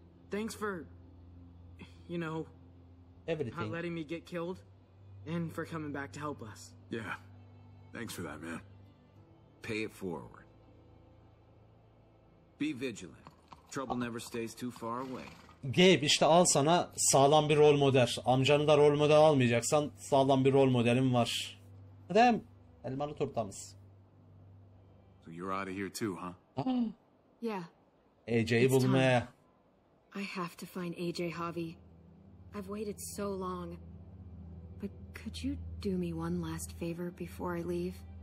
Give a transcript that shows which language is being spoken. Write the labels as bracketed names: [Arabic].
[English] Thanks for, you know, everything. Not letting me get killed. And for coming back to help us. Yeah. Thanks for that, man. Pay it forward. Be vigilant. Trouble never stays too far away. [Turkish] Gabe, işte al sana sağlam bir rol model. Amcanı da rol model almayacaksan sağlam bir rol modelim var. Adam, elmalı tortamız. [English] So you're out of here too, huh? Yeah. [Turkish] AJ'yi bulmaya. [English] I have to find AJ, Javi. I've waited so long. But could you do me one last favor before I leave?